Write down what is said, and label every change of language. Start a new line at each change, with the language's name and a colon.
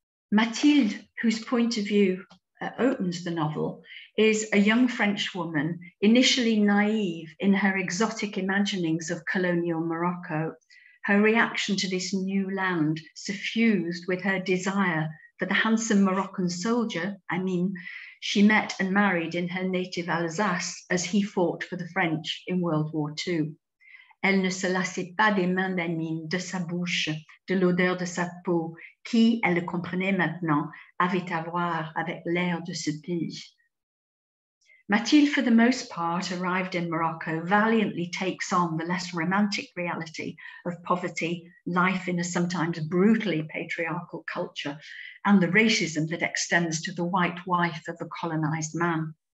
English: Mathilde, whose point of view opens the novel, is a young French woman, initially naive in her exotic imaginings of colonial Morocco, her reaction to this new land suffused with her desire for the handsome Moroccan soldier, Amin, she met and married in her native Alsace as he fought for the French in World War II.
French: Elle ne se lassait pas des mains d'Amin, de sa bouche, de l'odeur de sa peau, qui, elle le comprenait maintenant, avait à voir avec l'air de ce pays.
English: Mathilde, for the most part, arrived in Morocco, valiantly takes on the less romantic reality of poverty, life in a sometimes brutally patriarchal culture, and the racism that extends to the white wife of a colonized man.